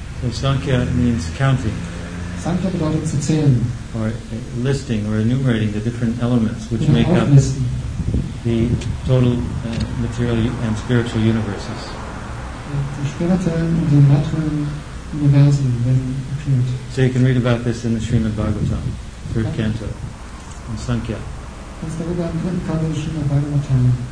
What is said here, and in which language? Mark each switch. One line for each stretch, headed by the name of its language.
English: So Sankhya means counting.
German: Sankhya bedeutet zu zählen.
English: Or listing or enumerating the different elements which make up the total material and spiritual universes.
German: Die spirituellen und die materiellen Universen werden erklärt.
English: So you can read about this in the Srimad Bhagavatam, third canto, in Sankhya.
German: Kannst darüber im dritten Kanto des Srimad Bhagavatam.